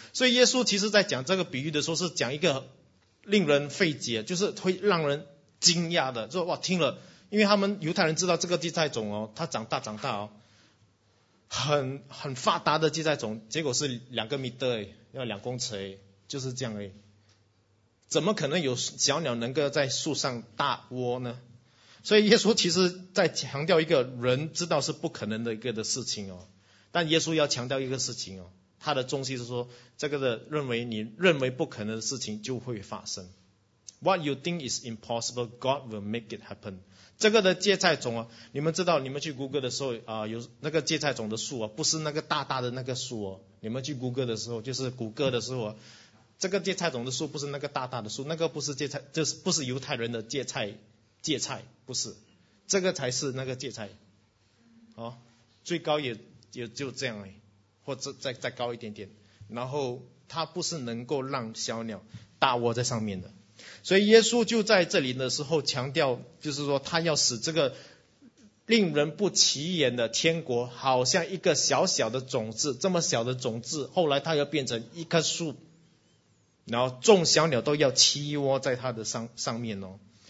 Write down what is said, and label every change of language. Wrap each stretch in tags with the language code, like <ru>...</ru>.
<zh>所以耶稣其实在讲这个比喻的时候，是讲一个令人费解，就是会让人惊讶的，说哇听了，因为他们犹太人知道这个芥菜种哦，它长大哦，很发达的芥菜种，结果是2个米特，要2公尺，就是这样而已，怎么可能有小鸟能够在树上搭窝呢？所以耶稣其实在强调一个人知道是不可能的一个的事情哦，但耶稣要强调一个事情哦，他的中心是说这个的认为你认为不可能的事情就会发生。</zh> <en>What you think is impossible, God will make it happen.</en> <zh>这个的芥菜种啊，你们知道你们去 Google 的时候啊、有那个芥菜种的树啊，不是那个大大的那个树哦，你们去 Google 的时候就是谷歌的时候啊，这个芥菜种的树不是那个大大的树，那个不是芥菜，就是不是犹太人的芥菜。不是，这个才是那个芥菜，哦，最高也就这样哎，或者再高一点点，然后它不是能够让小鸟搭窝在上面的，所以耶稣就在这里的时候强调，就是说他要使这个令人不起眼的天国，好像一个小小的种子，这么小的种子，后来它要变成一棵树，然后众小鸟都要栖窝在它的上面哦。</zh>